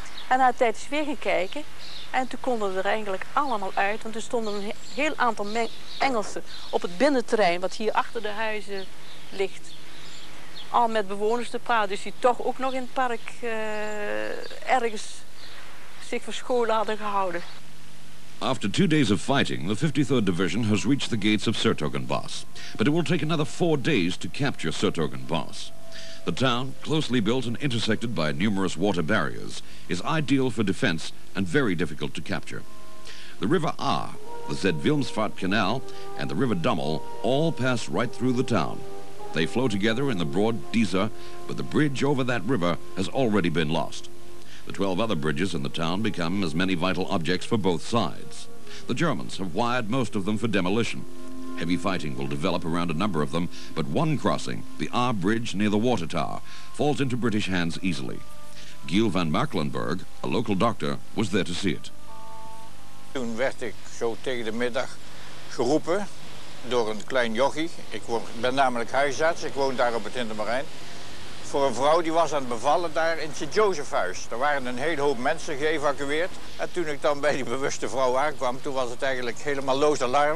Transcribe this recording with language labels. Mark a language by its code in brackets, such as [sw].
[nl] En na een tijd is weer gaan kijken. En toen konden we er eigenlijk allemaal uit. Want er stonden een heel aantal Engelsen op het binnenterrein, wat hier achter de huizen ligt, al met bewoners te praten. Dus die toch ook nog in het park ergens zich verscholen hadden gehouden. [en] After 2 days of fighting, the 53rd Division has reached the gates of Sertogenbosch. But it will take another 4 days to capture Sertogenbosch. The town, closely built and intersected by numerous water barriers, is ideal for defense and very difficult to capture. The River Aa, the Zedwilmsfahrt Canal, and the River Dummel all pass right through the town. They flow together in the broad Dieser, but the bridge over that river has already been lost. The 12 other bridges in the town become as many vital objects for both sides. The Germans have wired most of them for demolition. Heavy fighting will develop around a number of them, but one crossing, the Ahr Bridge near the water tower, falls into British hands easily. Giel van Marklenburg, a local doctor, was there to see it. [nl] Toen werd ik zo tegen de middag geroepen door een klein jochie. Ik ben namelijk huisarts, ik woon daar op het Hintermarijn. Voor een vrouw die was aan het bevallen daar in het Sint-Josefhuis. Er waren een hele hoop mensen geëvacueerd. En toen ik dan bij die bewuste vrouw aankwam, toen was het eigenlijk helemaal loos alarm.